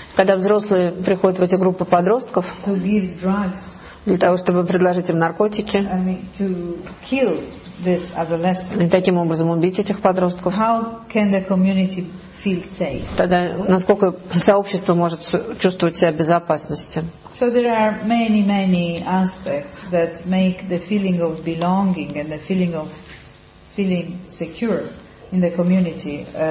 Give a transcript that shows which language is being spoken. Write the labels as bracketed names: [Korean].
[Russian] Когда взрослые приходят в эти группы подростков, [English] to give drugs, [Russian] для того чтобы предложить им наркотики, [English] I mean, to kill this adolescent, [Russian] и таким образом убить этих подростков, [English] how can the community feel safe? [Russian] Тогда насколько сообщество может чувствовать себя в безопасности? [English] So there are many aspects that make the feeling of belonging and the feeling of feeling secure in the community.